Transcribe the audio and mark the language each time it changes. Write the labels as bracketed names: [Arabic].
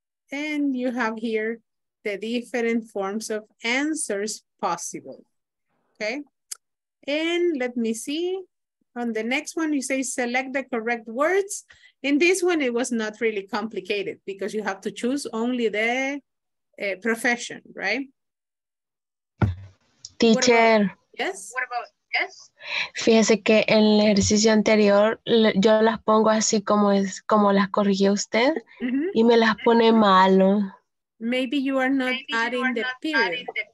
[English] And you have here the different forms of answers possible. Okay. And let me see. On the next one, you say select the correct words. In this one, it was not really complicated because you have to choose only the profession, right? Teacher. Yes. What about yes? [Spanish] Fíjese que en el ejercicio anterior yo las pongo así como es como las corrigió usted y me las pone malo. [English] Maybe you are not, adding, you are the not adding the